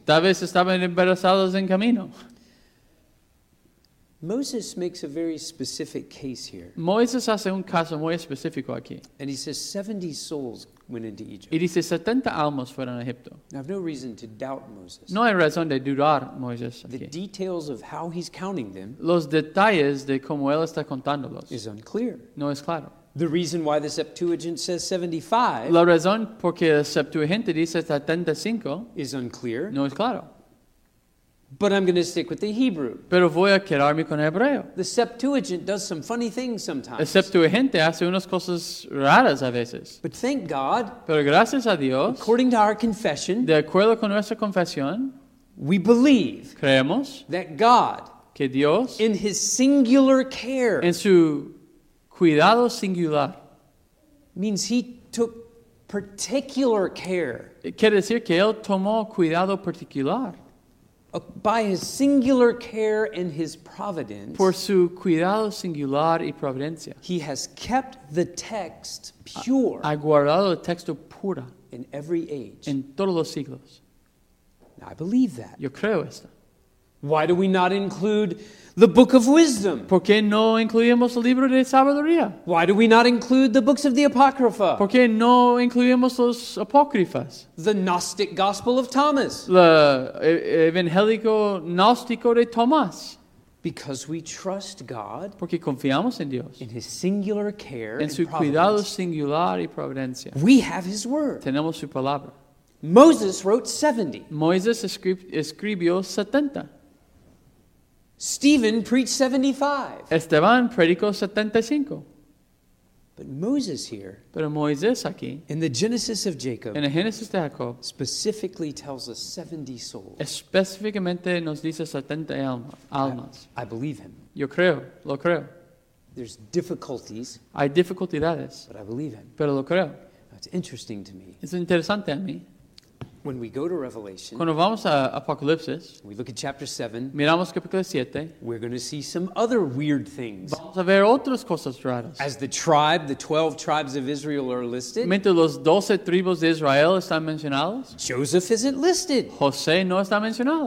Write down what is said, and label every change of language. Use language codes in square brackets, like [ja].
[es] Tal vez estaban embarazados en camino. [en] Moses makes a very specific case here. [es] Moisés hace un caso muy específico aquí. [en] And he says 70 souls went into Egypt. [es] Y dice 70 almas fueron a Egipto. [en] I have no reason to doubt Moses. [es] No hay razón de dudar Moisés aquí. [en] The details of how he's counting them. [es] Los detalles de cómo él está contándolos. [en] Is unclear. [es] No es claro. [en] The reason why the Septuagint says 75. [es] La razón porque la Septuaginta dice 75. [en] Is unclear. [es] No es claro. [en] But I'm going to stick with the Hebrew. [es] Pero voy a quedarme con hebreo. [en] The Septuagint does some funny things sometimes. [es] La Septuaginta hace unas cosas raras a veces. [en] But thank God. [es] Pero gracias a Dios. [en] According to our confession. [es] De acuerdo con nuestra confesión. [en] We believe. [es] Creemos. [en] That God. [es] Que Dios. [en] In his singular care. [es] En su cuidado singular. [en] Means he took particular care. [es] Quiere decir que él tomó cuidado particular. [en] By his singular care and his providence. [es] Por su cuidado singular y providencia. [en] He has kept the text pure. [es] Ha guardado el texto puro. [en] In every age. [es] En todos los siglos. [en] Now, I believe that. [es] Yo creo esto. [en] Why do we not include the Book of Wisdom? [es] ¿Por qué no incluimos el libro de sabiduría? [en] Why do we not include the books of the Apocrypha? [es] ¿Por qué no incluimos los apócrifas? [en] The Gnostic Gospel of Thomas. [es] La evangélico gnóstico de Tomás. [en] Because we trust God. [es] Porque confiamos en Dios. [en] In his singular care [es] en su cuidado singular y providencia. [en] We have his word. [es] Tenemos su palabra. [en] Moses wrote 70. [es] Moisés escribió 70. [en] Stephen preached 75. [es] Esteban predicó 75. [en] But Moses here. [es] Pero Moisés aquí. [en] In the Genesis of Jacob. [es] En el Génesis de Jacob. [en] Specifically tells us 70 souls. [es] Específicamente nos dice 70 almas. [en] I believe him. [es] Yo creo. Lo creo. [en] There's difficulties. [es] Hay dificultades. [en] But I believe him. [es] Pero lo creo. [en] It's interesting to me. [es] Es interesante a mí. [en] When we go to Revelation, [es] cuando vamos a Apocalipsis, [en] we look at chapter 7, [es] miramos capítulo 7, [en] we're going to see some other weird things. [es] Vamos a ver otras cosas raras. [en] As the tribe, the 12 tribes of Israel are listed, [es] mientras los 12 tribus de Israel están mencionados, [en] Joseph isn't listed. [es] José no está mencionado.